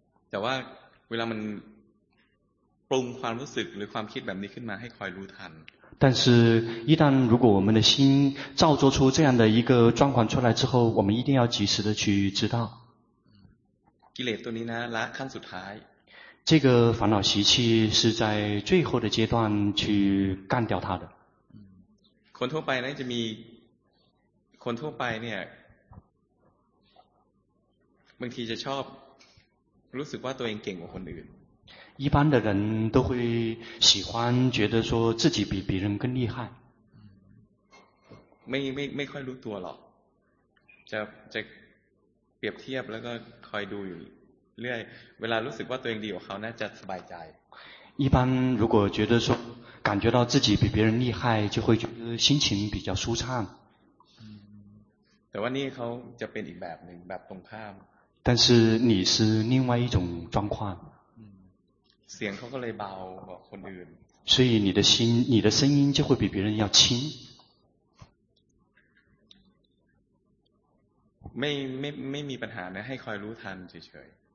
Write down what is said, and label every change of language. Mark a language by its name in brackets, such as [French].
[Thai] แต่ว่าเวลามันปรุงความรู้สึกหรือความคิดแบบนี้ขึ้นมาให้คอยรู้ทัน [Chinese] 但是一旦如果我们的心造作出这样的一个状况出来之后我们一定要及时的去知道 [Thai] กิเลสตัวนี้นะละขั้นสุดท้าย [Chinese] 这个烦恼习气是在最后的阶段去干掉它的 [Thai] คนทั่วไปนะจะมีคนทั่วไปเนี่ยบางทีจะชอบรู้สึกว่าตัวเองเก่งกว่าคนอื่น [Chinese] 一般的人都会喜欢觉得说自己比别人更厉害 [Thai] ไม่ค่อยรู้ตัวหรอกจะเปรียบเทียบแล้วก็คอยดูอยู่เรื่อยเวลารู้สึกว่าตัวเองดีกว่าเขาน่าจะสบายใจ [Chinese] 一般如果觉得说感觉到自己比别人厉害就会觉得心情比较舒畅 [Thai] แต่ว่านี่เขาจะเป็นอีกแบบนึงแบบตรงข้าม [Chinese] 但是你是另外一种状况 [Thai] เสียงเขาก็เลยเบากว่าคนอื่น [Chinese] 所以你的心你的声音就会比别人要轻 [Thai] ไม่มีปัญหานะให้คอยรู้ทันเฉย